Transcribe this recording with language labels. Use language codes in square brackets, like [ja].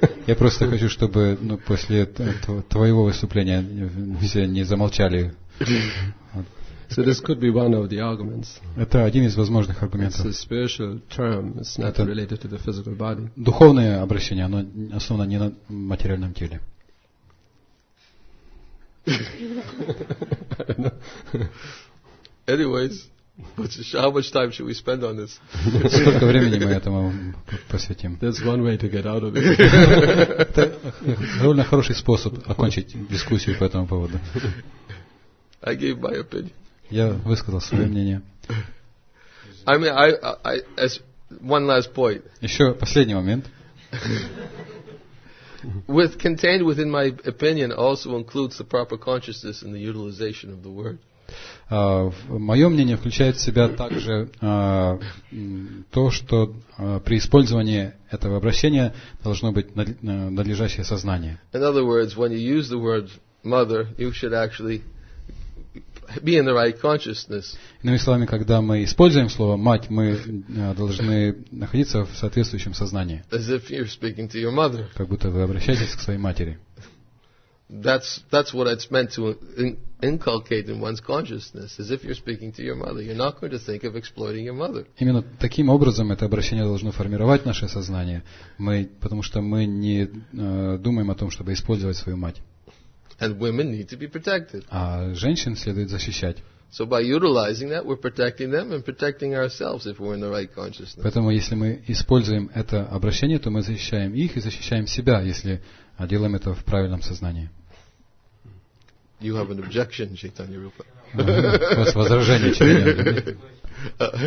[ru] Я просто хочу, чтобы после твоего выступления все не замолчали. [en] So this could be one of the arguments. [ru] Это один из возможных аргументов. [en] It's a spiritual term. It's not related to the physical body. [ru] Духовное обращение, оно основано не на материальном теле. [en] Anyways. How much time should we spend on this? [ru] Сколько времени мы этому посвятим? [en] That's one way to get out of it. [ru] Это довольно хороший способ окончить дискуссию по этому поводу. [en] I gave my opinion. [ru] Я высказал свое мнение. [en] I mean, I as one last point. [ru] Еще последний момент. [en] With contained within my opinion also includes the proper consciousness and the utilization of the word. [ru] Мое мнение включает в себя также то, что при использовании этого обращения должно быть надлежащее сознание. [en] In other words, when you use the word mother, you should actually be in the right consciousness. [ru] Иными словами, когда мы используем слово мать, мы должны находиться в соответствующем сознании. [en] As if you're speaking to your mother. [ru] Как будто вы обращаетесь к своей матери. [en] That's what it's meant to inculcate in one's consciousness, as if you're speaking to your mother. You're not going to think of exploiting your mother. [ru] Именно таким образом это обращение должно формировать наше сознание. Мы, потому что мы не думаем о том, чтобы использовать свою мать. [en] And women need to be protected. [ru] А женщин следует защищать. [en] So by utilizing that, we're protecting them and protecting ourselves if we're in the right consciousness. [ru] Поэтому если мы используем это обращение, то мы защищаем их и защищаем себя, если делаем это в правильном сознании. [en] You have an objection, Chaitanya Rupa. [ru] У вас возражение, Чайтанья Рупа.